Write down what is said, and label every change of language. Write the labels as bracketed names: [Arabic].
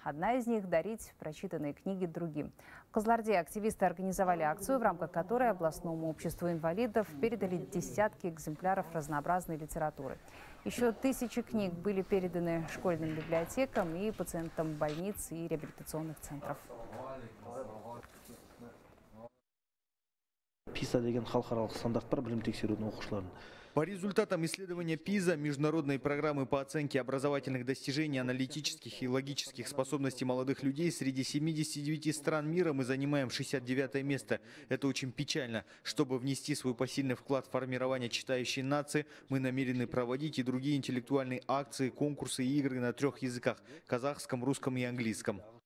[Russian] Одна из них – дарить прочитанные книги другим. В Кызылорде активисты организовали акцию, в рамках которой областному обществу инвалидов передали десятки экземпляров разнообразной литературы. Еще тысячи книг были переданы школьным библиотекам и пациентам больниц и реабилитационных центров. [Kazakh] ПИСА деген халықаралық стандарт бар білім тексерудің оқушыларын. [Russian] По результатам исследования ПИЗа, международной программы по оценке образовательных достижений, аналитических и логических способностей молодых людей, среди 79 стран мира мы занимаем 69-е место. Это очень печально. Чтобы внести свой посильный вклад в формирование читающей нации, мы намерены проводить и другие интеллектуальные акции, конкурсы и игры на трех языках – казахском, русском и английском.